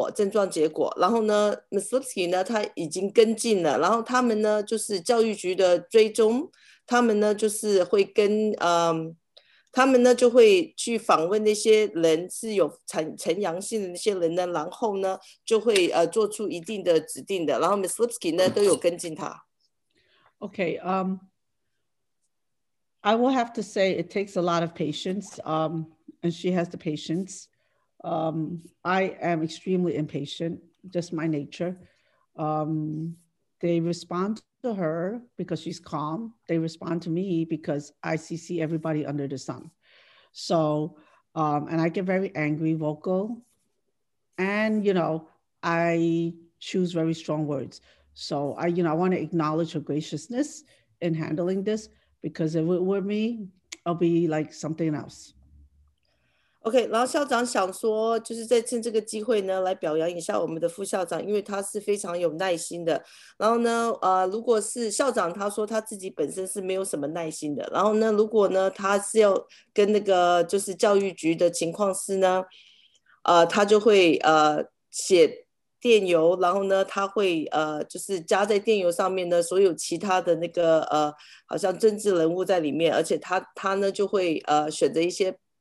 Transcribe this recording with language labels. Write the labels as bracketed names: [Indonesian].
[Chinese] Lipsky呢，他经常跟那个我们教育局的情况室里面呢去沟通，有关于反阳性的那个结果症状结果，然后呢 ，Ms. Lipsky呢，他已经跟进了，然后他们呢就是教育局的追踪，他们呢就是会跟。他们呢就会去访问那些人是有呈阳性的那些人呢，然后呢就会做出一定的指定的，然后 Ms. Lipsky呢都有跟进他。Okay, [English] I will have to say it takes a lot of patience. And she has the patience. I am extremely impatient, just my nature. They respond to her because she's calm. They respond to me because I CC everybody under the sun. So, and I get very angry, vocal, and, I choose very strong words. So I want to acknowledge her graciousness in handling this, because if it were me, I'll be like something else. [Chinese] Okay, 然后校长想说，就是在趁这个机会呢，来表扬一下我们的副校长，因为他是非常有耐心的。然后呢，如果是校长，他说他自己本身是没有什么耐心的。然后呢，如果呢，他是要跟那个就是教育局的情况室呢，他就会写电邮，然后呢，他会就是加在电邮上面呢，所有其他的那个好像政治人物在里面，而且他呢就会选择一些。